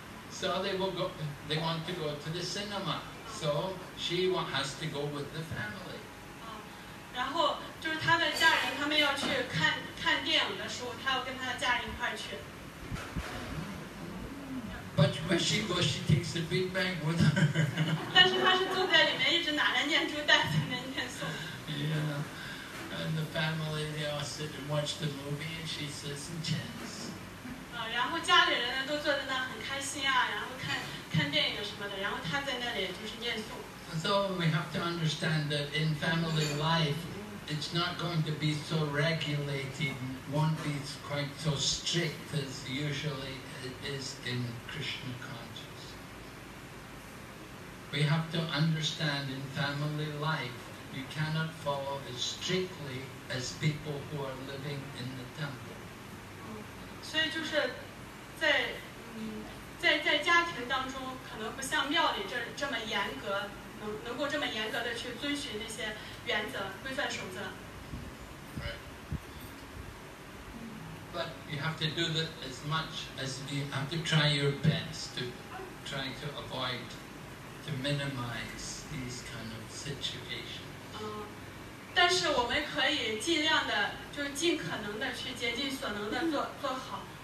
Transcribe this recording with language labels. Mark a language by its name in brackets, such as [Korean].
[English] So they will go, they want to go to the cinema. So she has to go with the family. [Chinese] 然后就是她的家人，他们要去看电影的时候，她要跟她的家人一块去。 [English] But when she goes, she takes the big bag with her. [Chinese] 但是她是坐在里面，一直拿着念珠袋在那念诵。 [English] Yeah, and the family they all sit and watch the movie, and she says, "And chance." [Chinese] 然后家里人呢都坐在那很开心啊，然后看电影什么的，然后她在那里就是念诵。 [English] So we have to understand that in family life, it's not going to be so regulated won't be quite so strict as usually it is in Krishna consciousness. We have to understand in family life, you cannot follow as strictly as people who are living in the temple. [Chinese] 所以就是在家庭当中，可能不像庙里这么严格，能够这么严格的去遵循那些原则、规范守则。 [English] But you have to do that as much as you have to try your best to try to avoid to minimize these kind of situations. [Chinese] 但是我们可以尽量的，就是尽可能的去竭尽所能的做好。